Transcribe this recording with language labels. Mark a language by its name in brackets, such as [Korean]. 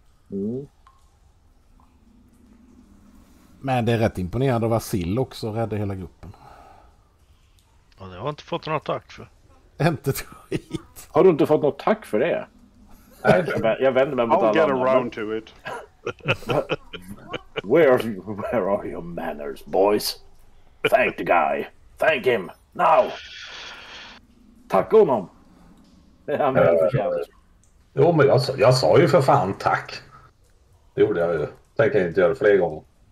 [Swedish] Mm. Men det är rätt imponerande att vara sill också och rädda hela gruppen. Ja, det har jag inte fått något tack för. Inte skit. Har du inte fått något tack för det? Jag vänder mig mot [English] I'll alla. I'll get around to it. Where are your manners, boys? Thank the guy. Thank him. Now. [Swedish] Tack honom. Det är han väl förtjänar. Jo, men jag sa ju för fan tack. Det gjorde jag ju. Tänker jag inte göra fler gånger.